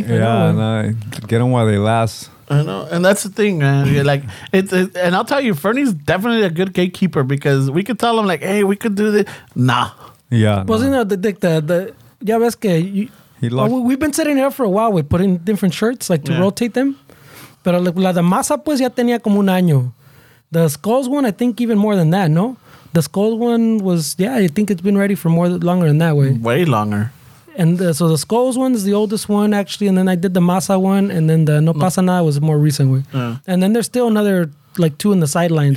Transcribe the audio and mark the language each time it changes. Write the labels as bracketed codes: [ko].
[en] Yeah, get them while they last. I know, and that's the thing, man. You're like, and I'll tell you, Fernie's definitely a good gatekeeper because we could tell him, like, hey, we could do this. Nah. Yeah. [es] Pues, no. [en] You know, the [es] ya ves que [en] you, We've been setting it up for a while. We're putting different shirts, like, to rotate them. [es] Pero la de masa, pues, ya tenía como un año. [en] The Skulls one, I think even more than that, no? The Skulls one was, yeah, I think it's been ready for more longer than that way. Way longer. And so the Skulls one is the oldest one, actually. And then I did the Masa one. And then the No Pasa Nada was more recent one. And then there's still another, like, two in the sidelines.